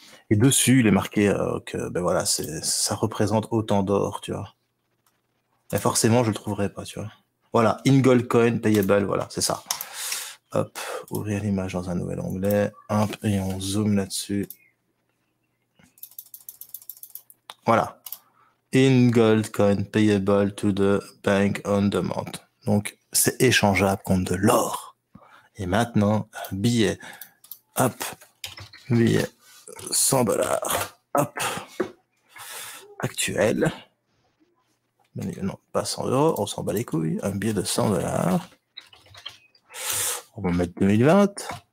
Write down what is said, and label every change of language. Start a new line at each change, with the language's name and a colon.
French: Et dessus, il est marqué que ben voilà, ça représente autant d'or, tu vois. Mais forcément, je le trouverai pas, tu vois. Voilà, in gold coin payable, voilà, c'est ça. Hop, ouvrir l'image dans un nouvel onglet. Hop, et on zoome là-dessus. Voilà.
English: In gold coin payable to the bank on demand.
French: Donc, c'est échangeable contre de l'or. Et maintenant, billet. Hop, billet. $100. Hop. Actuel. Non, pas 100 euros, on s'en bat les couilles. Un billet de $100. On va mettre 2020.